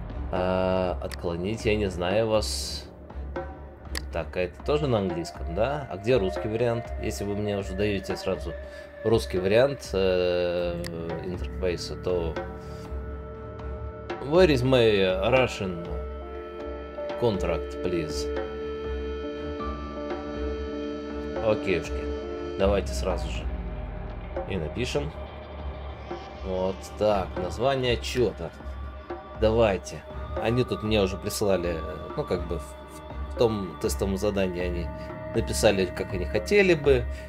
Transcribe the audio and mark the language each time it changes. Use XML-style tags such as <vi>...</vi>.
<ru>Отклонить, я не знаю вас. Так, а это тоже на английском, да? А где русский вариант? Если вы мне уже даете сразу русский вариант интерфейса, то...</ru> <en>Where is my Russian contract, please?</en> <ru>Окейушки, давайте сразу же и напишем. Вот так, название отчета. Давайте. Они тут мне уже присылали, ну, как бы, в том тестовом задании они написали, как они хотели бы.</ru>